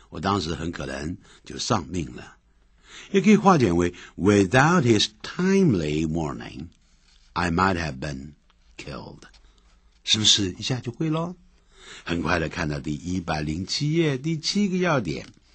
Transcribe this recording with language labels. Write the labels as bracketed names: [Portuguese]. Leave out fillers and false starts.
[Chinese] 我当时很可能就丧命了。也可以化简为 [English] without his timely warning, I might have been killed. [Chinese] 是不是一下就会咯？很快的看到第107页第七个要点。